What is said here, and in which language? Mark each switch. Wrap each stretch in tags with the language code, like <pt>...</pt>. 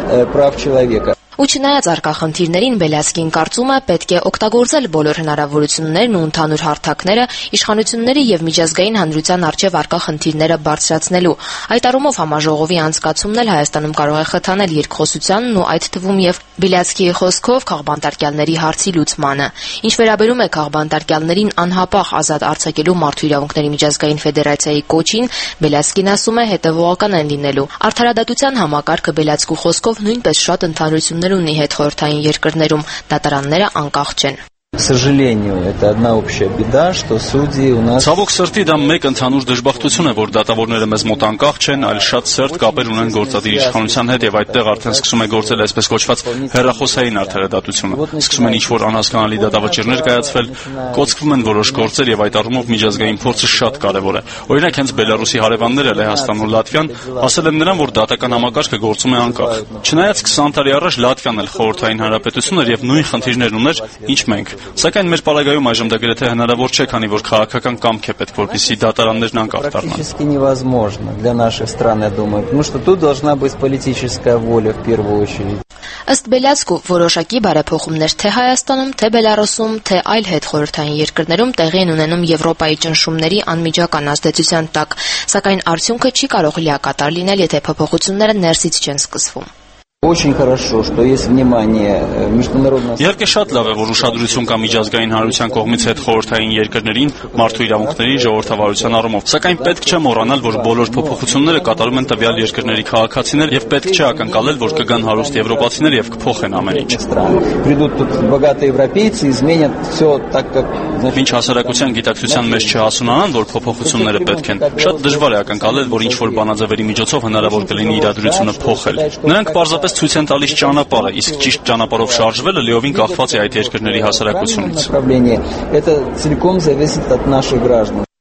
<hy>Ու չնայած արկախնդիրներին, Բելյասկին կարծում է, պետք է օգտագործել բոլոր հնարավորություններն ու ընդհանուր հարթակները իշխանությունների եւ միջազգային հանրության առջեւ արկախնդիրները բարձրացնելու։ Այդ առումով համաժողովի անցկացումն էլ Հայաստանում կարող է խթանել երկխոսությանն ու այդ թվում եւ Բելյասկիի խոսքով քաղբանտարկյալների հարցի լուծմանը։ Ինչ վերաբերում է քաղբանտարկյալներին անհապաղ ազատ արձակելու մարդու իրավունքների միջազգային ֆեդերացիայի կոչին, Բելյասկին ասում է, հետևողական են լինելու։ Արդարադատության համակարգը Բելյասկու խոսքով նույնպես շատ ունի հետ խորհրդային երկրներում, դատարանները անկախ են։</hy> <ru>Сожалению, это одна общая беда, что судьи у нас.</ru> <hy>Ցավոք սրտի դա մեկ ընդհանուր դժբախտություն է, որ դատավորները մեզ մոտ անկախ են, այլ շատ սերտ կապեր ունեն գործադիր իշխանության հետ եւ այդտեղ արդեն սկսում է գործել այսպես կոչված հերախոսային արդարադատությունը։ Սկսում են ինչ-որ անհասկանալի դատավճիռներ կայացվել, կոչվում են որոշ գործեր եւ այդ առումով միջազգային փորձը շատ կարեւոր է։ Օրինակ հենց Բելարուսի հարևանները Լեհաստան ու Լատվիան ասել են նրան, որ դատական համակարգը գործում է անկախ։ Չնայած 20 տարի առաջ Լատվիան էլ խորհրդային հանրապետություն էր եւ նույն խնդիրներ ուներ, ինչ մենք։ Սակայն մեր պարագայում այժմ դա գրեթե հնարավոր չէ, քանի որ քաղաքական կամք է պետք, որպեսզի դատարաններն անկախ դառնան։</hy> <ru>Практически невозможно для нашей страны, я думаю, потому что тут должна быть политическая воля в первую очередь.</ru> <hy>Ըստ Բելյասկու, որոշակի բարեփոխումներ թե Հայաստանում, թե Բելարուսում, թե այլ հետխորհրդային երկրներում տեղի են ունենում Եվրոպայի ճնշումների անմիջական ազդեցության տակ, սակայն արդյունքը չի կարող լիակատար լինել, եթե փոփոխությունները ներսից չեն սկսվում։</hy> <ru>Очень хорошо, что есть внимание международного.</ru> <hy>Ярко շատ լավ է, որ ուշադրություն կա միջազգային հանրության կողմից այդ խորհրդային երկրներին մարդու իրավունքների ժողովրդավարության առումով, սակայն պետք չէ մոռանալ, որ բոլոր փոփոխությունները կատարում են տվյալ երկրների քաղաքացիներ եւ պետք չէ ակնկալել, որ կգան հարուստ եվրոպացիներ եւ կփոխեն ամեն ինչ։</hy> <ru>Придут тут богатые европейцы, изменят всё так, как</ru> <hy>ինչ հասարակության գիտակցության մեջ չհասունանան, որ փոփոխությունները պետք են։ Շատ դժվար է ակնկալել, որ ինչ որ բանաձևերի միջոցով հնարավոր կլինի իրադրությունը փոխել։ Նրանք պարզապես ցույց են տալիս ճանապարհը, իսկ ճիշտ ճանապարհով շարժվելը լիովին կախված է այդ երկրների հասարակությունից։</hy>